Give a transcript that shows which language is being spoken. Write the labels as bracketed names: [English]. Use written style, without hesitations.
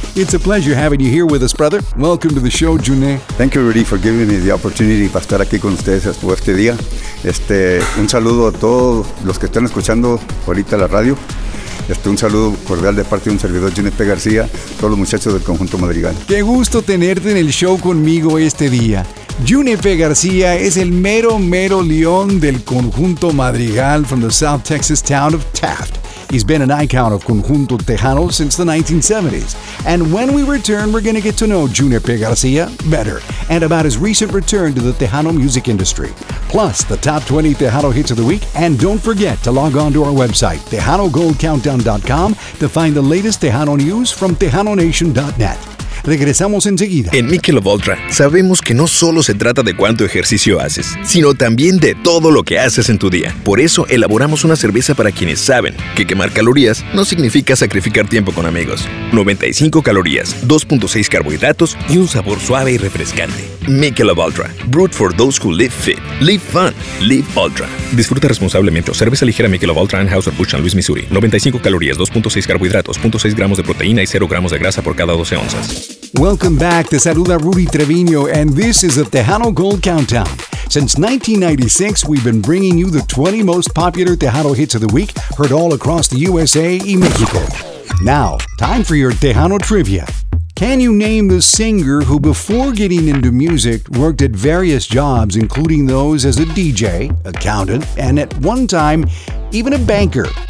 [English] It's a pleasure having you here with us, brother. Welcome to the show, June. Thank you, Rudy, for giving me the opportunity para estar aquí con ustedes este día. [Spanish] Un saludo a todos los que están escuchando ahorita la radio. Un saludo cordial de parte de un servidor, June P. García, todos los muchachos del conjunto Madrigal. Qué gusto tenerte en el show conmigo este día. June P. García es el mero, mero león del conjunto Madrigal [English] from the South Texas town of Taft. He's been an icon of Conjunto Tejano since the 1970s. And when we return, we're going to get to know June P. García better and about his recent return to the Tejano music industry. Plus, the top 20 Tejano hits of the week. And don't forget to log on to our website, TejanoGoldCountdown.com, to find the latest Tejano news from TejanoNation.net. [Spanish] Regresamos enseguida. En Michelob Ultra sabemos que no solo se trata de cuánto ejercicio haces, sino también de todo lo que haces en tu día. Por eso elaboramos una cerveza para quienes saben que quemar calorías no significa sacrificar tiempo con amigos. 95 calorías, 2.6 carbohidratos y un sabor suave y refrescante. [English] Michelob Ultra, brewed for those who live fit, live fun, live ultra. [Spanish] Disfruta responsablemente. Cerveza ligera Michelob Ultra Anheuser-Busch, San Luis, Missouri. 95 calorías, 2.6 carbohidratos, 0.6 gramos de proteína y 0 gramos de grasa por cada 12 onzas. [English] Welcome back. [Spanish] Te saluda [English] Rudy Treviño, and this is the Tejano Gold Countdown. Since 1996, we've been bringing you the 20 most popular Tejano hits of the week, heard all across the USA y México. Now, time for your Tejano trivia. Can you name the singer who, before getting into music, worked at various jobs, including those as a DJ, accountant, and at one time, even a banker?